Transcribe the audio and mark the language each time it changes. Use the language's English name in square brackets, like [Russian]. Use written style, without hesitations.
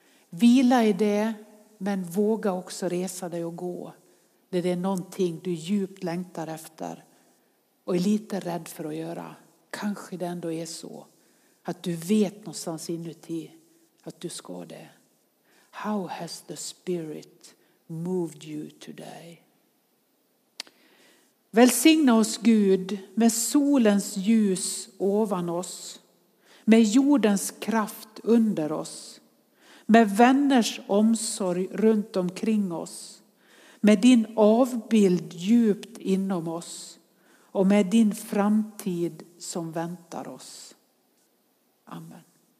[Swedish] Vila i det, men våga också resa dig och gå. Det är någonting du djupt längtar efter och är lite rädd för att göra. Kanske det ändå är så att du vet någonstans inuti att du ska det. [English] How has the Spirit moved you today? [Swedish] Välsigna oss Gud med solens ljus ovan oss, med jordens kraft under oss, med vänners omsorg runt omkring oss, med din avbild djupt inom oss och med din framtid som väntar oss. Amen.